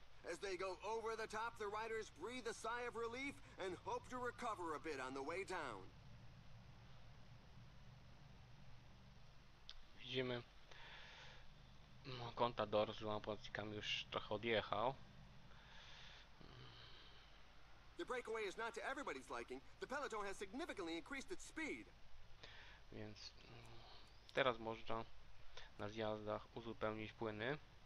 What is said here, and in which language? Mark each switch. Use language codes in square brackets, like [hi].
[en] As they go over the top, the riders breathe a sigh of relief and hope to recover a bit on the way down. [pl] Widzimy, Contador z dwoma pomocnikami już trochę odjechał. [en] The breakaway is not to everybody's liking. The peloton has significantly increased its speed. [pl] Więc teraz można na zjazdach uzupełnić płyny.